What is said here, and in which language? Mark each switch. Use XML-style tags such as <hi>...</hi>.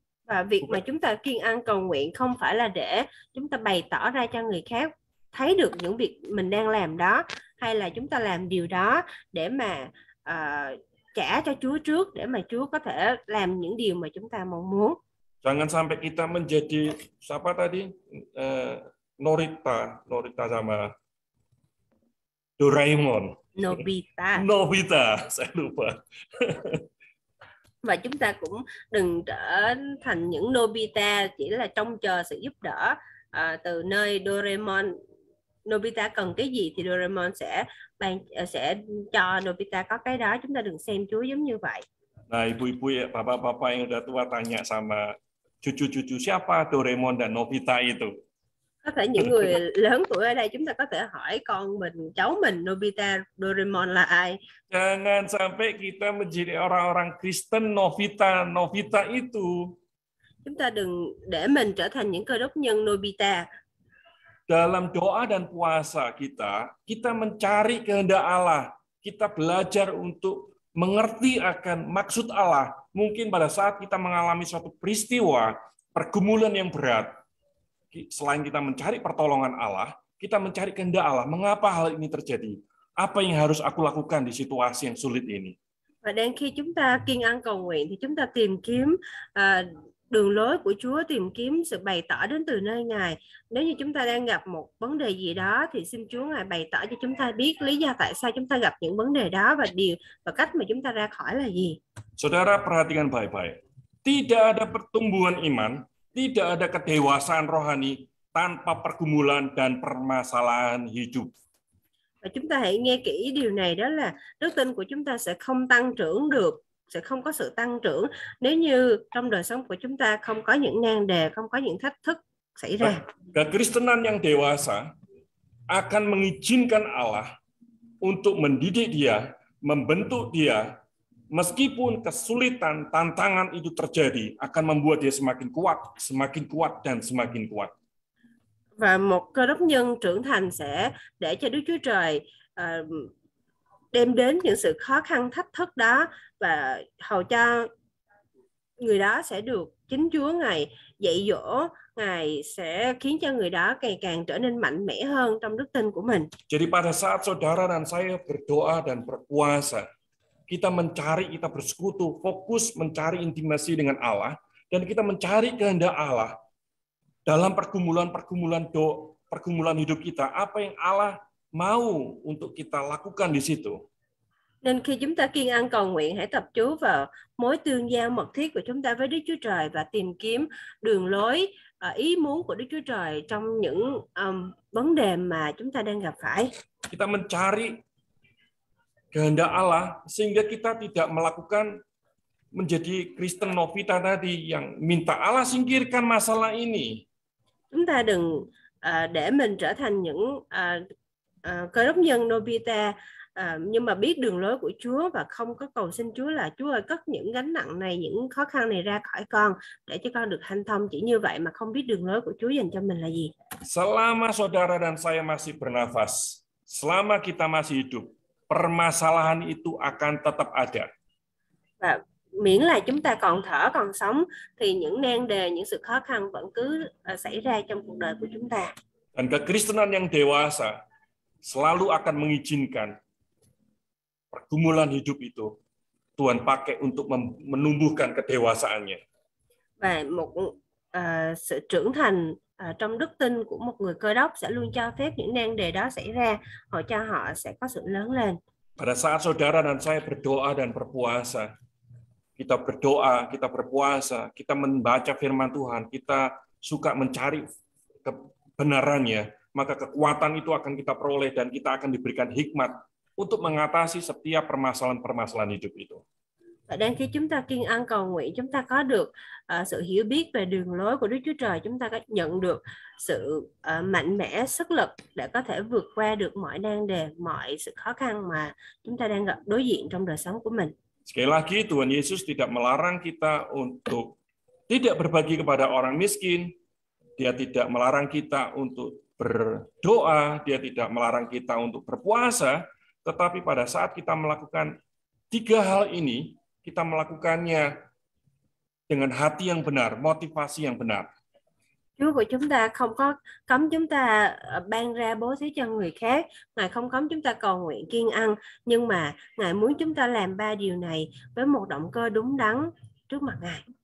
<vi>Và việc mà chúng ta kiêng ăn cầu nguyện không phải là để chúng ta bày tỏ ra cho người khác thấy được những việc mình đang làm đó, hay là chúng ta làm điều đó để mà trả cho Chúa trước, để mà Chúa có thể làm những điều mà chúng ta mong muốn.</vi> <id>Jangan sampai kita menjadi siapa tadi? Norita sama Doraemon. Nobita. Nobita, saya lupa.</id> <vi>Và chúng ta cũng đừng trở thành những Nobita chỉ là trông chờ sự giúp đỡ từ nơi Doraemon. Nobita cần cái gì thì Doraemon sẽ cho Nobita có cái đó. Chúng ta đừng xem Chúa giống như vậy.</vi> <id>Nah, ibu-ibu, bapak-bapak yang udah tua tanya sama cucu-cucu siapa Doraemon dan Nobita itu.</id> <vi>Có thể những người lớn tuổi ở đây chúng ta có thể hỏi con mình, cháu mình Nobita Doraemon là ai?</vi> <id>Jangan sampai kita menjadi orang-orang Kristen Nobita, Nobita itu.</id> <vi>Chúng ta đừng để mình trở thành những cơ đốc nhân Nobita.</vi> <id>Dalam doa dan puasa kita, kita mencari kehendak Allah. Kita belajar untuk mengerti akan maksud Allah. Mungkin pada saat kita mengalami suatu peristiwa, pergumulan yang berat, selain kita mencari pertolongan Allah, kita mencari kehendak Allah. Mengapa hal ini terjadi? Apa yang harus aku lakukan di situasi yang sulit ini?</id> <vi>Và đang khi chúng ta kiên ăn cầu nguyện thì chúng ta tìm kiếm đường lối của Chúa, tìm kiếm sự bày tỏ đến từ nơi Ngài. Nếu như chúng ta đang gặp một vấn đề gì đó thì xin Chúa Ngài bày tỏ cho chúng ta biết lý do tại sao chúng ta gặp những vấn đề đó và điều và cách mà chúng ta ra khỏi là gì.</vi> <id>Saudara perhatikan baik-baik. Tidak ada pertumbuhan iman, tidak ada kedewasaan rohani tanpa pergumulan dan permasalahan hidup.</id> <vi>Và chúng ta hãy nghe kỹ điều này, đó là đức tin của chúng ta sẽ không tăng trưởng được, sẽ không có sự tăng trưởng nếu như trong đời sống của chúng ta không có những nan đề, không có những thách thức xảy ra.</vi> <id>Kekristenan yang dewasa akan mengizinkan Allah untuk mendidik dia, membentuk dia, meskipun kesulitan, tantangan itu terjadi, akan membuat dia semakin kuat dan semakin kuat.</id> <vi>Và một cơ đốc nhân trưởng thành sẽ để cho Đức Chúa Trời đem đến những sự khó khăn, thách thức đó và hầu cho người đó sẽ được chính Chúa Ngài dạy dỗ, Ngài sẽ khiến cho người đó càng càng trở nên mạnh mẽ hơn trong đức tin của mình.</vi> <id>Jadi pada saat saudara dan saya berdoa dan berpuasa, kita mencari, kita bersekutu, fokus mencari intimasi dengan Allah, dan kita mencari kehendak Allah, dalam pergumulan-pergumulan pergumulan hidup kita, apa yang Allah mau untuk kita lakukan di situ.</id> <vi>Nên khi chúng ta kiên ăn cầu nguyện, hãy tập trung vào mối tương giao mật thiết của chúng ta với Đức Chúa Trời và tìm kiếm đường lối, ý muốn của Đức Chúa Trời trong những vấn đề mà chúng ta đang gặp phải.</vi> <id>Kita mencari kehendak Allah sehingga kita tidak melakukan menjadi Kristen Novita tadi yang minta Allah singkirkan masalah ini.</id> <vi>Chúng ta đừng để mình trở thành những cơ đốc nhân Novita nhưng mà biết đường lối của Chúa và không có cầu xin Chúa là Chúa ơi cất những gánh nặng này, những khó khăn này ra khỏi con để cho con được hanh thông, chỉ như vậy mà không biết đường lối của Chúa dành cho mình là gì.</vi> <id>Selama saudara dan saya masih bernafas, selama kita masih hidup, permasalahan itu akan tetap ada.</id> <vi>Và miễn là chúng ta còn thở còn sống thì những nan đề, những sự khó khăn vẫn cứ xảy ra trong cuộc đời của chúng ta.</vi> <id>Dan kekristenan yang dewasa selalu akan mengizinkan pergumulan hidup itu Tuhan pakai untuk menumbuhkan kedewasaannya.</id> <vi>Và một sự trưởng thành trong đức tin của một người cơ đốc sẽ luôn cho phép những nan đề đó xảy ra, hỏi cho họ sẽ có sự lớn lên.</vi> <id>Pada saat saudara dan saya berdoa dan berpuasa, kita berdoa, kita berpuasa, kita membaca firman Tuhan, kita suka mencari kebenarannya, maka kekuatan itu akan kita peroleh dan kita akan diberikan hikmat untuk mengatasi setiap permasalahan-permasalahan hidup itu.</id> <vi>Dan khi chúng ta kiên ăn cầu nguyện, chúng ta có được sự hiểu biết về đường lối của Đức Chúa Trời, chúng ta có nhận được sự mạnh mẽ, sức lực để có thể vượt qua được mọi nan đề, mọi sự khó khăn mà chúng ta đang gặp đối diện trong đời sống của mình.</vi> <id>Sekali lagi, Tuhan Yesus tidak melarang kita untuk tidak berbagi kepada orang miskin. Dia tidak melarang kita untuk berdoa. Dia tidak melarang kita untuk berpuasa. Tetapi pada saat kita melakukan tiga hal ini, kita melakukannya dengan hati yang benar, motivasi yang benar.</id> <vi>Chúa của chúng ta không có cấm chúng ta ban ra bố thí cho người khác. Ngài không cấm chúng ta cầu nguyện kiên ăn. Nhưng mà Ngài muốn chúng ta làm ba điều này với một động cơ đúng đắn trước mặt Ngài.</vi>